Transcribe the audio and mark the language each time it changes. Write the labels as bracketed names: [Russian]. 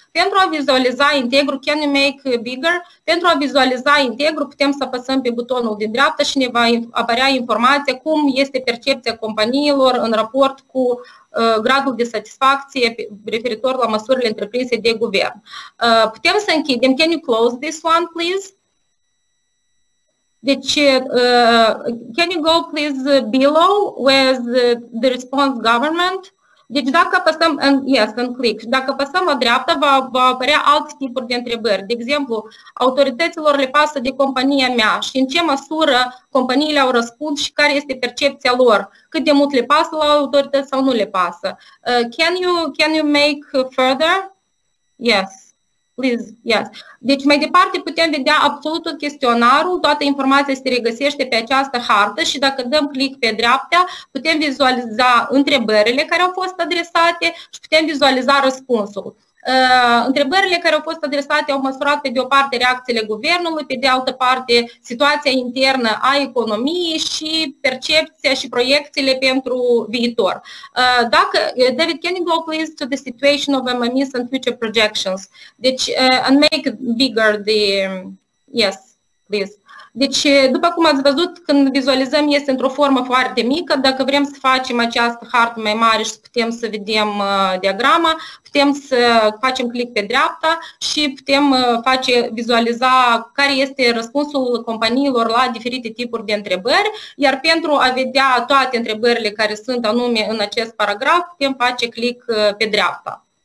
[Romanian] Pentru a vizualiza integru, [English] can you make bigger? [Romanian] Pentru a vizualiza integru, putem să apăsăm pe butonul din dreapta și ne va apărea informația cum este percepția companiilor în raport cu gradul de satisfacție referitor la măsurile întreprinse de guvern. Putem să închidem. [English] Can you close this one, please? Deci, can you go, please, below with the response government? [Romanian] Deci dacă apăsăm în yes, în click, dacă apăsăm la dreapta, va apărea alt tipuri de întrebări. De exemplu, autorităților le pasă de compania mea și în ce măsură companiile au răspuns și care este percepția lor, cât de mult le pasă la autorități sau nu le pasă. [English] Can you make further? Yes. Please, yes. [Romanian] Deci mai departe putem vedea absolut tot chestionarul, toată informația se regăsește pe această hartă și dacă dăm click pe dreapta, putem vizualiza întrebările care au fost adresate și putem vizualiza răspunsul. Întrebările care au fost adresate au măsurat pe de o parte reacțiile guvernului, pe de altă parte situația internă a economiei și percepția și proiecțiile pentru viitor. [English] Dacă, David, can you go please to the situation of MMEs and future projections? Deci, and make bigger the... Yes, please. [Romanian] Deci, după cum ați văzut, când vizualizăm este într-o formă foarte mică, dacă vrem să facem această hartă mai mare și putem să vedem diagrama, putem să facem click pe dreapta și putem vizualiza care este răspunsul companiilor la diferite tipuri de întrebări, iar pentru a vedea toate întrebările care sunt anume în acest paragraf, putem face click pe dreapta.